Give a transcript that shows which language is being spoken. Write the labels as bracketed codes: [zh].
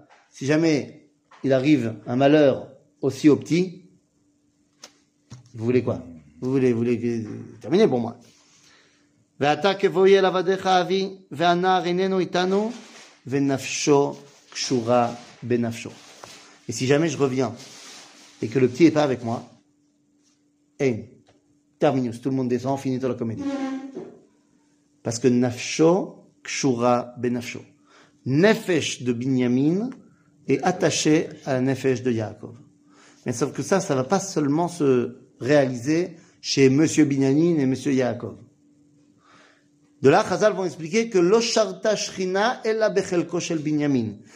[fr] Si jamais il arrive un malheur aussi au petit, vous voulez quoi? Vous voulez terminer pour moi? [he] ואתה כבואי אל עבדך אבי והנער איננו איתנו ונפשו קשורה בנפשו. [fr] Et si jamais je reviens et que le petit est pas avec moi, hey, terminus, tout le monde descend, finito la comédie. Parce que [he] נפשו קשורה בנפשו. [fr] נפש de Binyamin est attaché à la נפש de Yaakov. Mais sauf que ça, ça va pas seulement se réaliser chez monsieur Binyamin et monsieur Yaakov. De là, Chazal vont expliquer que l'Osharta Shrina est la Bechelko Shel Binyamin.